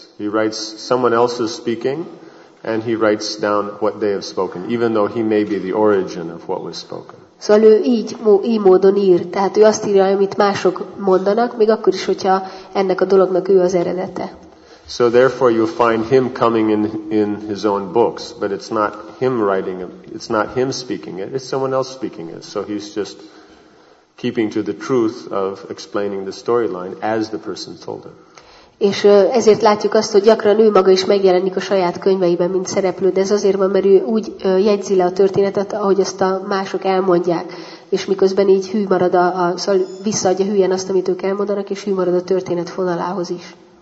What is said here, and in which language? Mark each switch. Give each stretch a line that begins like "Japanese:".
English: He writes someone else's speaking and he writes down what they have spoken, even though he may be the origin of what was spoken.
Hungarian: Szóval ő így módon ír, tehát ő azt írja, amit mások mondanak, még akkor is, hogyha ennek a dolognak ő az eredete.
English: So therefore you find him coming in his own books, but it's not him writing it, it's not him speaking it, it's someone else speaking it. So he's just keeping to the truth of explaining the storyline as the person told it.
Hungarian: És ezért látjuk azt, hogy gyakran ő maga is megjelenik a saját könyveiben, mint szereplő, de ez azért van, mert ő úgy jegyzi le a történetet, ahogy azt a mások elmondják, és miközben így hű marad, szóval visszaadja hülyen azt, amit ők elmondanak, és hű marad a történet fonalához is.